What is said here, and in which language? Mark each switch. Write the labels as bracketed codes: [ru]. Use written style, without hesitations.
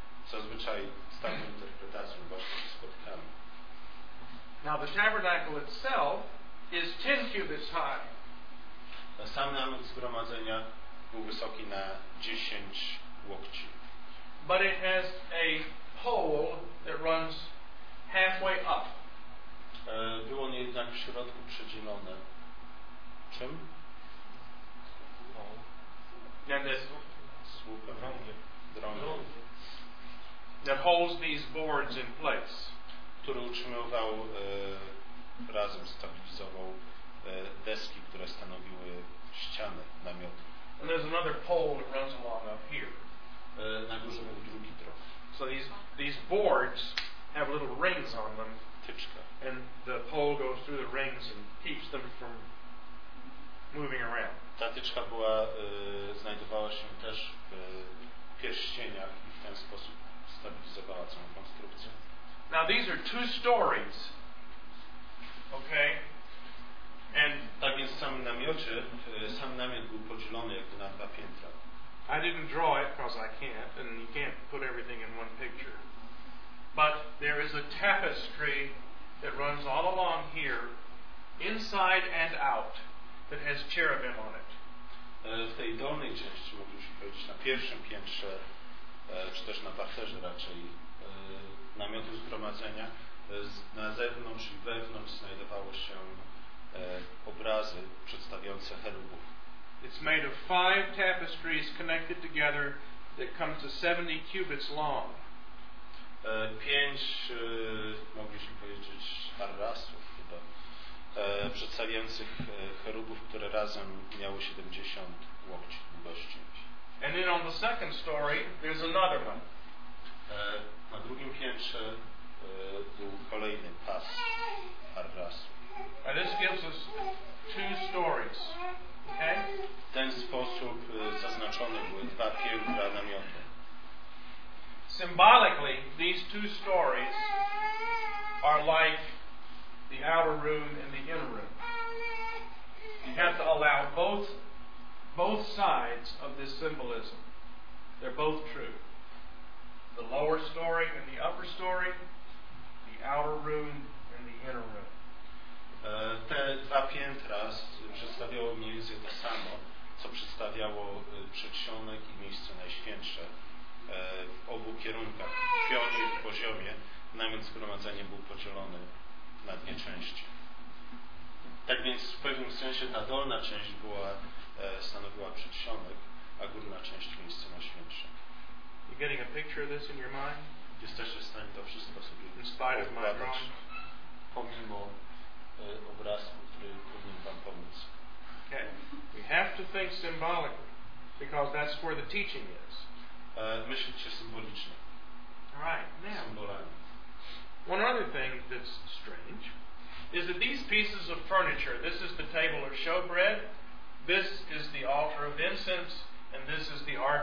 [pl] Zazwyczaj z taką interpretacją właśnie się spotykamy. [en] Now, the tabernacle itself is 10 cubits high. [pl] Sam namiot zgromadzenia był wysoki na 10 łokci. [en] But it has a pole that runs halfway up. [pl] Było on jednak w środku przedzielone. Czym? [en] Pole. And this [pl] słup drągiem. [en] That holds these boards in place. [pl] Który utrzymywał razem stabilizował deski, które stanowiły ściany namiotu. [en] And there's another pole that runs along up here. [pl] Na górze był drugi drog. [en] So these boards have little rings on them. [pl] Tyczka. [en] And the pole goes through the rings and keeps them from moving around. [pl] Ta tyczka była znajdowała się też w pierścieniach i w ten sposób stabilizowała całą konstrukcję. [en] Now these are two stories. Okay. And [pl] tak więc sam namiot był podzielony jakby na dwa piętra. [en] I didn't draw it because I can't, and you can't put everything in one picture. But there is a tapestry that runs all along here, inside and out, that has cherubim on it. [pl] W tej dolnej części, moglibyśmy powiedzieć, na pierwszym piętrze, czy też na parterze raczej, namiotu zgromadzenia, na zewnątrz i wewnątrz znajdowały się obrazy przedstawiające cherubów. [en] It's made of five tapestries connected together that come to 70 cubits long. [pl] Pięć, moglibyśmy powiedzieć, arrasów chyba, przedstawiających cherubów, które razem miały 70 łokci długości. [en] And then on the second story, there's another one. [pl] Na drugim piętrze był kolejny pas arrasów. [en] And this gives us two stories. [pl] W ten sposób zaznaczone były dwa piętra namiotu. [en] Symbolically, these two stories are like the outer room and the inner room. You have to allow both sides of this symbolism. They're both true. The lower story and the upper story, the outer room and the inner room. [pl] Te dwa piętra przedstawiało mniej więcej to samo, co przedstawiało przedsionek i miejsce najświętsze w obu kierunkach, w pionie i w poziomie. Namiot zgromadzenia był podzielony na dwie części. Tak więc w pewnym sensie ta dolna część stanowiła przedsionek, a górna część miejsce najświętsze. [en] You're getting a picture of this in your mind? [pl] Jesteście w stanie to wszystko sobie [en] in spite of my [pl] wyobrazić, pomimo obrazku, który powinien wam pomóc. [en] Okay. We have to think symbolically, because that's where the teaching is. [pl] Myślcie symbolicznie. [en] Right. Now, [pl] symbolami. [en] One other thing that's strange is that these pieces of furniture, this is the table of showbread, this is the altar of incense, and this is the